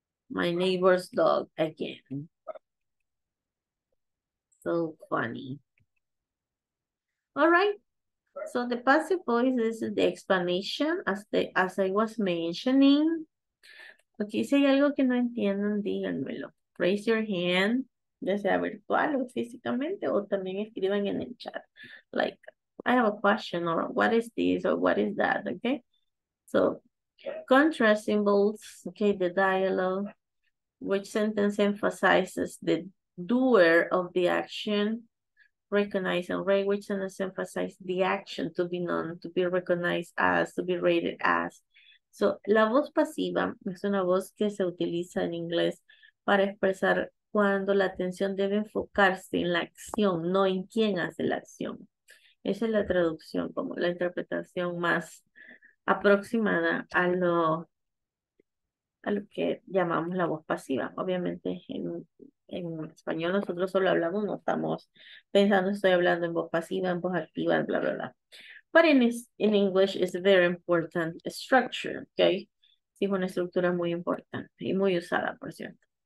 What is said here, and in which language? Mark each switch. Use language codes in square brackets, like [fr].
[en] My neighbor's dog again. So funny. All right. So the passive voice is the explanation, as I was mentioning. [es] Okay, si hay algo que no entiendan, díganmelo. Raise your hand. Ya sea virtual o físicamente, o también escriban en el chat. [en] Like, I have a question, or what is this, or what is that, okay? So, contrast symbols, okay, the dialogue. Which sentence emphasizes the doer of the action? Recognize and rate. Which sentence emphasizes the action to be known, to be recognized as, to be rated as? [es] So, la voz pasiva es una voz que se utiliza en inglés para expresar cuando la atención debe enfocarse en la acción, no en quién hace la acción. Esa es la traducción, como la interpretación más aproximada a lo a lo que llamamos la voz pasiva. Obviamente en español nosotros solo hablamos, no estamos pensando, estoy hablando en voz pasiva, en voz activa, bla, bla, bla. [en] But in English is a very important structure, okay? [es] Sí, es una estructura muy importante y muy usada, por cierto.